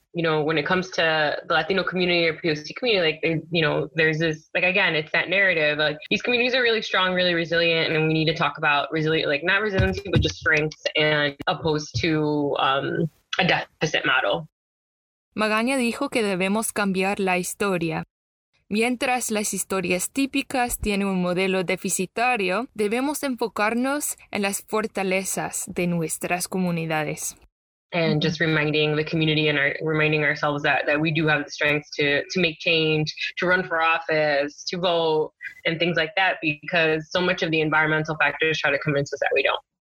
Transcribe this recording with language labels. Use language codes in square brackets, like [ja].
[en] You know, when it comes to the Latino community or POC community, like, you know, there's this, like, again, it's that narrative, like, these communities are really strong, really resilient, and we need to talk about resilient, like, not resiliency, but just strengths, and opposed to a deficit model. [es] Maganya dijo que debemos cambiar la historia. Mientras las historias típicas tienen un modelo deficitario, debemos enfocarnos en las fortalezas de nuestras comunidades. [en] And just reminding the community and reminding ourselves that we do have the strength to make change, to run for office, to vote, and things like that, because so much of the environmental factors try to convince us that we don't.